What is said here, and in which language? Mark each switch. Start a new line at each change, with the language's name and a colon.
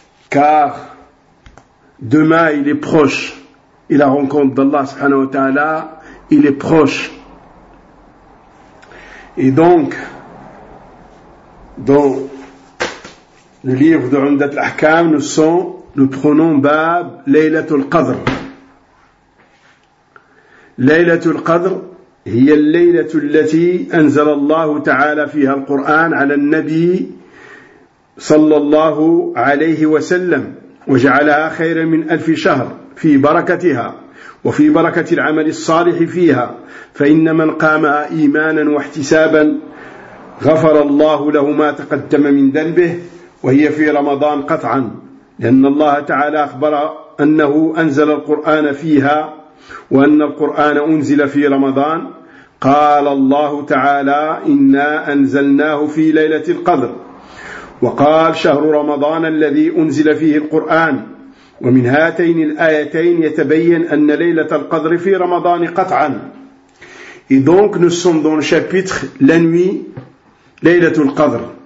French: Car demain il est proche, et la rencontre d'Allah subhanahu wa ta'ala, il est proche. Et donc, dans le livre de Umdat al-Ahkam, nous prenons bab Laylatul Qadr.
Arabic: Laylatul Qadr هي الليلة التي أنزل الله تعالى فيها القرآن على النبي صلى الله عليه وسلم وجعلها خيرا من ألف شهر في بركتها وفي بركة العمل الصالح فيها، فإن من قامها إيمانا واحتسابا غفر الله له ما تقدم من ذنبه، وهي في رمضان قطعا، لأن الله تعالى أخبر أنه أنزل القرآن فيها وأن القرآن أنزل في رمضان. قال الله تعالى: إنا أنزلناه في ليلة القدر. وقال: شهر رمضان الذي أنزل فيه القرآن. ومن هاتين الآيتين يتبين أن ليلة القدر في رمضان قطعا.
French: Et donc nous sommes dans le chapitre la nuit Laylatul Qadr.